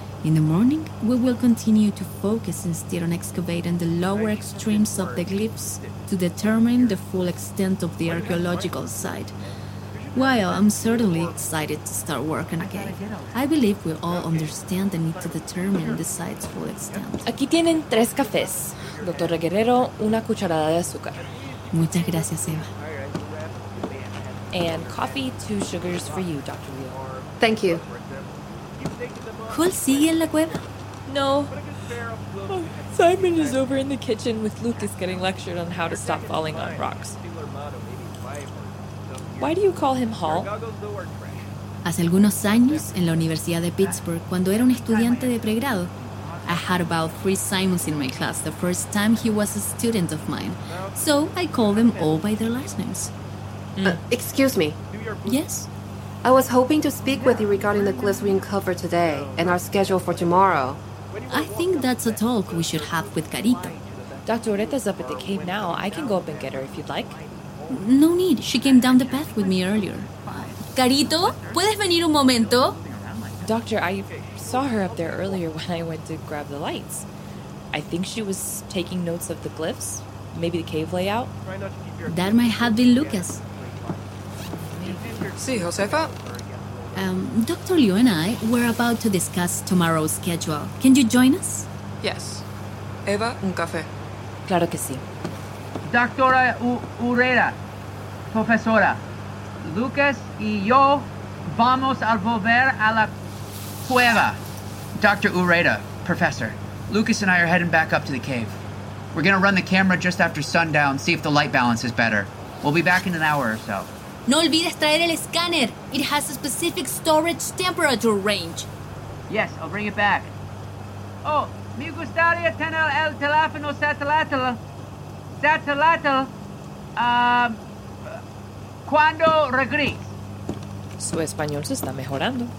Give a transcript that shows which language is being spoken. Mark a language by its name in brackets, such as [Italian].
[English] In the morning, we will continue to focus instead on excavating the lower extremes of the glyphs to determine the full extent of the archaeological site. While I'm certainly excited to start work on a cave, I believe we all understand the need to determine the site's full extent. [Spanish] Aquí tienen tres cafés. Doctora Guerrero, una cucharada de azúcar. Muchas gracias, Eva. [English] And coffee, 2 sugars for you, Dr. Leo. Thank you. [Spanish] ¿Cuál sigue en la cueva? No. [English] Oh, Simon is over in the kitchen with Lucas getting lectured on how to stop falling on rocks. Why do you call him Hall? [Spanish] Hace algunos años, en la Universidad de Pittsburgh, cuando era un estudiante de pregrado, [English] I had about 3 Simons in my class the first time he was a student of mine. So I call them all by their last names. Excuse me. Yes? I was hoping to speak with you regarding the glyphs we uncovered today and our schedule for tomorrow. I think that's a talk we should have with Carita. Dr. Oreta's up at the cave now. I can go up and get her if you'd like. No need. She came down the path with me earlier. [Spanish] Carito, ¿puedes venir un momento? [English] Doctor, I saw her up there earlier when I went to grab the lights. I think she was taking notes of the glyphs. Maybe the cave layout. That might have been Lucas. [Spanish] Sí, Josefa? [English] Dr. Liu and I were about to discuss tomorrow's schedule. Can you join us? Yes. [Spanish] Eva, un café. Claro que sí. Doctora Urrera, profesora, Lucas y yo vamos a volver a la cueva. [English] Dr. Urrera, professor, Lucas and I are heading back up to the cave. We're going to run the camera just after sundown, see if the light balance is better. We'll be back in an hour or so. [Spanish] No olvides traer el escáner. [English] It has a specific storage temperature range. Yes, I'll bring it back. [Spanish] Oh, me gustaría tener el teléfono satelital. Satelital. ¿Cuándo regrese? Su español se está mejorando.